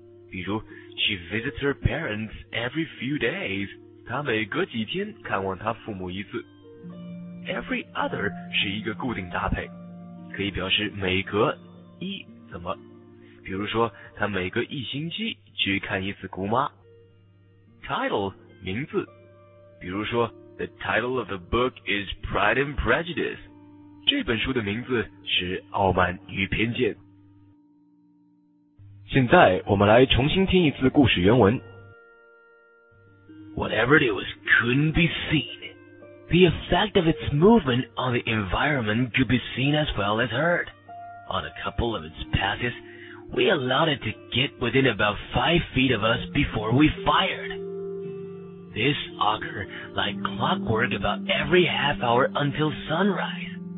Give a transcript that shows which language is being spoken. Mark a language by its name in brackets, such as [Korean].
[Chinese] 比如 [English] ,she visits her parents every few days. [Chinese] 他每隔几天看望他父母一次。 Every other 是一个固定搭配，可以表示每隔一怎么。比如说，他每隔一星期去看一次姑妈。 Title 名字，比如说 [English] ,The title of the book is Pride and Prejudice. [Chinese] 这本书的名字是傲慢与偏见。现在我们来重新听一次故事原文。 [English] Whatever it was couldn't be seen. The effect of its movement on the environment could be seen as well as heard. On a couple of its passes, we allowed it to get within about 5 feet of us before we fired. This occurred like clockwork about every half hour until sunrise.